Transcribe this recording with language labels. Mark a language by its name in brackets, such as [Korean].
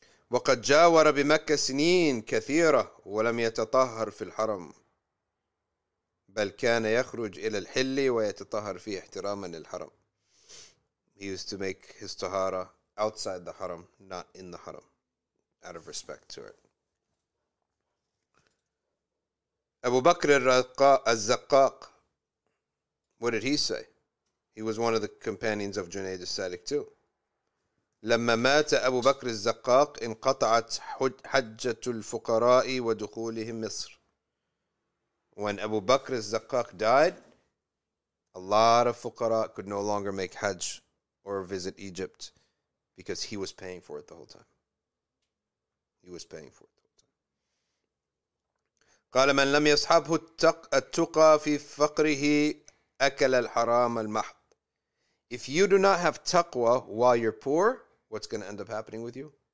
[Arabic] وقد جاور بمكة سنين كثيرة ولم يتطهر في الحرم بل كان يخرج إلى الحل ويتطهر فيه احتراما للحرم. [English] He used to make his tahara outside the haram, not in the haram, out of respect to it. أبو بكر الزقاق, what did he say? He was one of the companions of Junayd al-Salik too. [Arabic] لما مات أبو بكر الزقاق انقطعت حجة الفقراء ودخولهم مصر. [English] When Abu Bakr al-Zakkaq died, a lot of fuqara could no longer make Hajj or visit Egypt because he was paying for it the whole time. He was paying for it the whole time. [Arabic] قال من لم يصحبه التقى في فقره أكل الحرام المحض. [English] If you do not have taqwa while you're poor, what's going to end up happening with you?